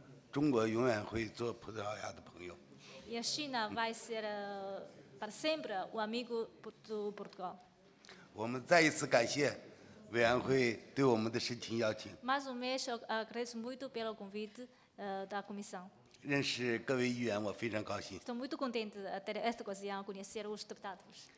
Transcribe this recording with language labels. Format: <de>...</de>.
<zh>中国永远会做葡萄牙的朋友。</zh> <pt>E a China vai ser para sempre o amigo do Portugal.</pt> <zh>我们再一次感谢委员会对我们的深情邀请。</zh> <pt>Mais uma vez agradeço muito pelo convite da comissão.</pt> <zh>认识各位议员我非常高兴。</zh> <pt>Estou muito contente de ter esta ocasião de conhecer os deputados.</pt>